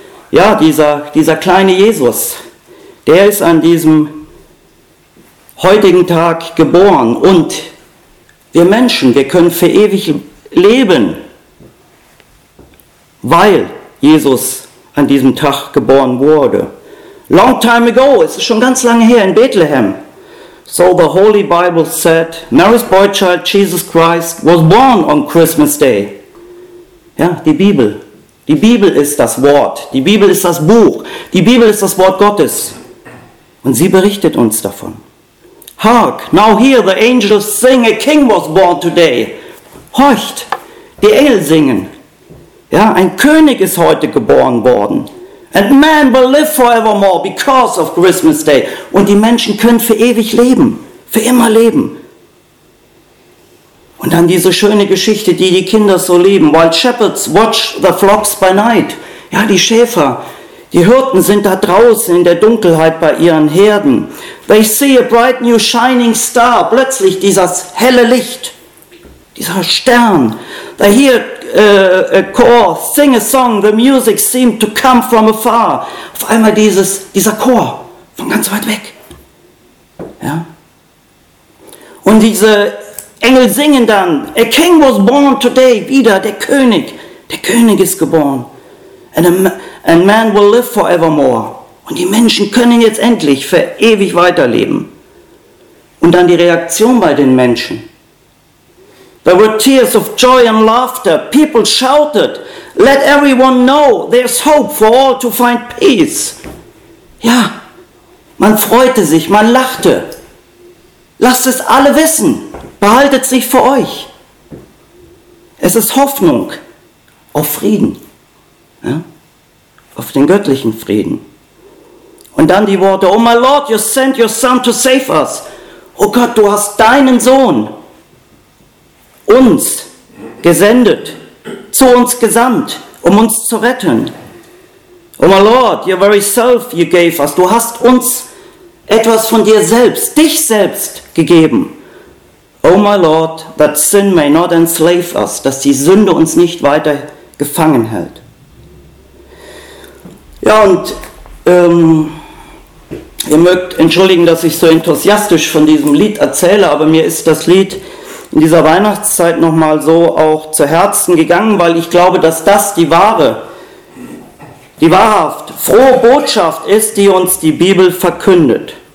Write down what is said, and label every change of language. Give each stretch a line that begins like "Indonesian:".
German: Ja, dieser kleine Jesus, der ist an diesem heutigen Tag geboren und wir Menschen, wir können für ewig leben, weil Jesus an diesem Tag geboren wurde.
English: Long time ago,
German: es ist schon ganz lange her, in Bethlehem.
English: So the Holy Bible said, Mary's boy child, Jesus Christ, was born on Christmas Day.
German: Ja, die Bibel. Die Bibel ist das Wort. Die Bibel ist das Buch. Die Bibel ist das Wort Gottes. Und sie berichtet uns davon.
English: Hark, now hear the angels sing, a king was born today.
German: Horcht, die Engel singen. Ja, ein König ist heute geboren worden.
English: And man will live forevermore because of Christmas Day.
German: Und die Menschen können für ewig leben, für immer leben. Und dann diese schöne Geschichte, die Kinder so lieben.
English: While shepherds watch the flocks by night.
German: Ja, die Schäfer, die Hirten sind da draußen in der Dunkelheit bei ihren Herden.
English: They see a bright new shining star.
German: Plötzlich dieses helle Licht, dieser Stern.
English: They hear a chorus, sing a song, the music seemed to come from afar.
German: Auf einmal dieser Chor von ganz weit weg. Ja? Und diese Engel singen dann,
English: a king was born today,
German: wieder der König ist geboren.
English: And man will live forevermore.
German: Und die Menschen können jetzt endlich für ewig weiterleben. Und dann die Reaktion bei den Menschen.
English: There were tears of joy and laughter. People shouted, let everyone know there's hope for all to find peace.
German: Ja, man freute sich, man lachte. Lasst es alle wissen, behaltet sich für euch. Es ist Hoffnung auf Frieden, ja? Auf den göttlichen Frieden. Und dann die Worte,
English: oh my Lord, you sent your son to save us.
German: Oh Gott, du hast deinen Sohn uns gesendet, zu uns gesandt, um uns zu retten.
English: Oh my Lord, your very self you gave us.
German: Du hast uns etwas von dir selbst, dich selbst gegeben.
English: Oh my Lord, that sin may not enslave us,
German: dass die Sünde uns nicht weiter gefangen hält. Ja, und ihr mögt entschuldigen, dass ich so enthusiastisch von diesem Lied erzähle, aber mir ist das Lied in dieser Weihnachtszeit nochmal so auch zu Herzen gegangen, weil ich glaube, dass das die wahrhaft frohe Botschaft ist, die uns die Bibel verkündet.